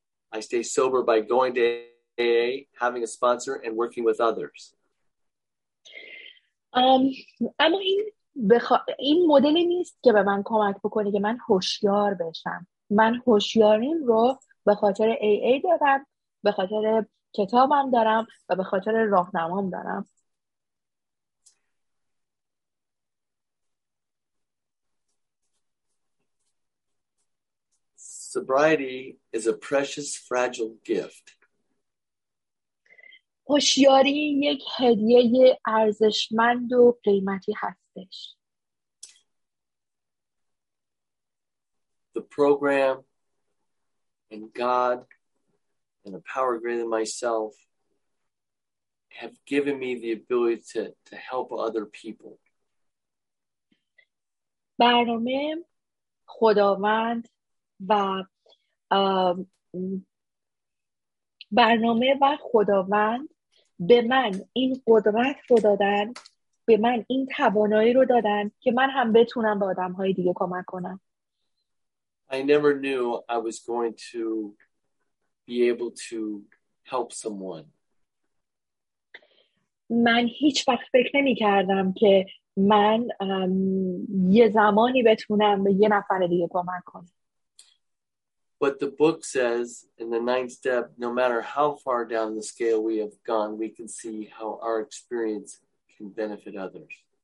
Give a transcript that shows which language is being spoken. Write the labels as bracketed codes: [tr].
[en] I stay sober by going to AA, having a sponsor, and working with others. [fa] اما این مدلی نیست که به من کمک بکنه که من هوشیار بشم. من هوشیاریم رو به خاطر AA دارم، به خاطر کتابم دارم و به خاطر راهنمام دارم. [en] Sobriety is a precious, fragile gift. [fa] هوشیاری یک هدیه ارزشمند و قیمتی هستش. [en] The program and God and a power greater than myself have given me the ability to help other people. [fa] برنامه خداوند و برنامه و خداوند به من این قدرت رو دادن، به من این توانایی رو دادن که من هم بتونم به آدم‌های دیگه کمک کنم. [en] I never knew I was going to be able to help someone. [fa] من هیچ وقت فکر نمی‌کردم که من یه زمانی بتونم به یه نفر دیگه کمک کنم. [en] But the book says in the ninth step, no matter how far down the scale we have gone, we can see how our experience can benefit others.